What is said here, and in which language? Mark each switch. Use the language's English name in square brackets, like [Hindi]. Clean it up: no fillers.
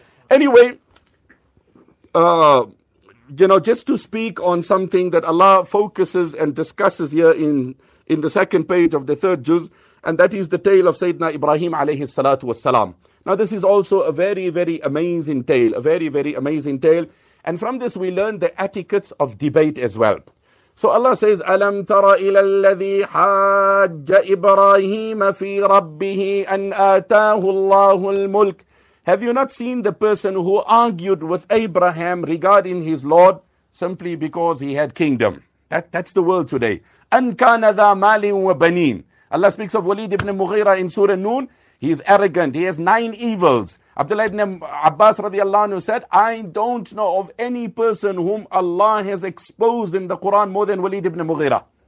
[English] Anyway, you know, just to speak on something that Allah focuses and discusses here in the second page of the third juz, and that is the tale of Sayyidina Ibrahim alayhi salatu wassalam. Now, this is also a very, very amazing tale, a very, very amazing tale. And from this, we learn the etiquettes of debate as well. So Allah says, [Arabic] أَلَمْ تَرَ إِلَى الَّذِي حَاجَّ إِبْرَاهِيمَ فِي رَبِّهِ أَنْ آتَاهُ اللَّهُ الْمُلْكِ. [English] Have you not seen the person who argued with Abraham regarding his Lord simply because he had kingdom? That's the world today. [Arabic] أَنْ كَانَ ذَا مَالٍ وَبَنِينَ. [English] Allah speaks of Walid ibn Mughira in Surah Noon. He is arrogant. He has nine evils. Abdullah ibn Abbas radiallahu anhu said, I don't know of any person whom Allah has exposed in the Quran more than Walid ibn Mughira.